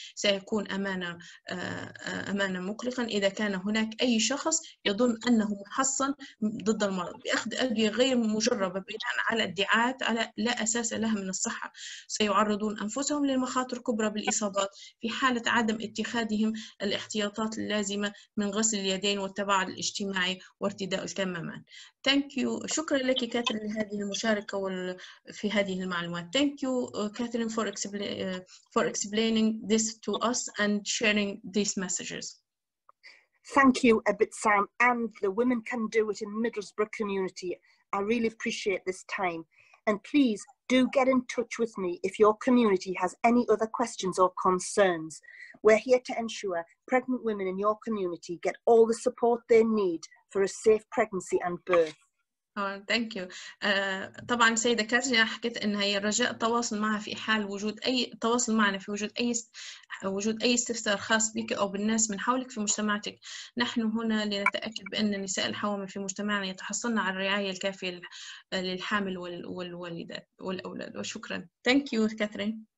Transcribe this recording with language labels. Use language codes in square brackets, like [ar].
[ar] سيكون أمانا مقلقا إذا كان هناك أي شخص يظن أنه محصن ضد المرض بأخذ أدوية غير مجربة بناء على ادعاءات لا أساس لها من الصحة. سيعرضون أنفسهم للمخاطر كبرى بالإصابات في حالة عدم اتخاذهم الاحتياطات اللازمة من غسل اليدين والتباعد الاجتماعي وارتداء الكمامات. [en] Thank you. [ar] شكرا لك كاثرين لهذه المشاركة في هذه المعلومات. [en] Thank you Catherine for explaining this to us and sharing these messages. Thank you Abit Sam and the Women Can Do It in Middlesbrough community. I really appreciate this time and please do get in touch with me if your community has any other questions or concerns. We're here to ensure pregnant women in your community get all the support they need for a safe pregnancy and birth. Thank you. [ar] طبعا سيدة كاترين حكيت انها هي رجاء التواصل معها في حال وجود اي تواصل معنا في وجود اي استفسار خاص بك او بالناس من حولك في مجتمعتك. نحن هنا لنتاكد بان النساء الحوامل في مجتمعنا يتحصلن على الرعايه الكافيه للحامل والوالدات والاولاد. وشكرا. [en] Thank you [ar] كاترين.